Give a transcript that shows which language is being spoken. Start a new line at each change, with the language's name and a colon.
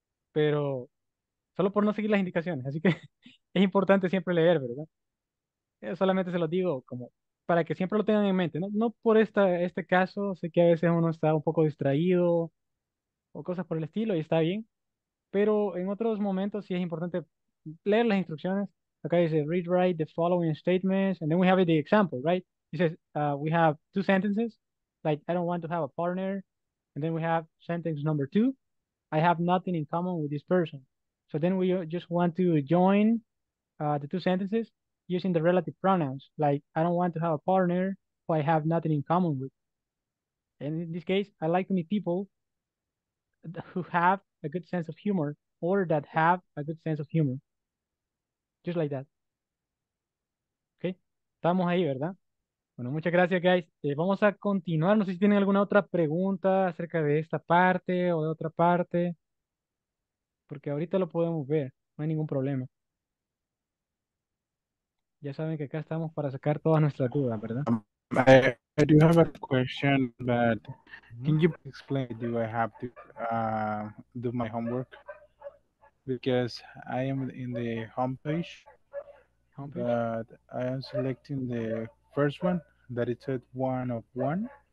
Spanish: Pero solo por no seguir las indicaciones. Así que es importante siempre leer, ¿verdad? Yo solamente se los digo como para que siempre lo tengan en mente, no por este caso, sé que a veces uno está un poco distraído o cosas por el estilo y está bien, pero en otros momentos sí es importante leer las instrucciones. Acá dice
English: read write the following statements and then we have the example, right? It says we have two sentences, like I don't want to have a partner, and then we have sentence number two, I have nothing in common with this person. So then we just want to join the two sentences using the relative pronouns, like I don't want to have a partner who I have nothing in common with. And in this case, I like to meet people who have a good sense of humor or that have a good sense of humor. Just like that. Okay,
Spanish: estamos ahí, ¿verdad? Bueno, muchas gracias, guys. Vamos a continuar. No sé si tienen alguna otra pregunta acerca de esta parte o de otra parte. Porque ahorita lo podemos ver, no hay ningún problema. Ya saben que acá estamos para sacar todas nuestras dudas, ¿verdad?
English: I do have a question, but can you explain, do I have to do my homework? Because I am in the homepage, but I am selecting the first one, that it said one of one.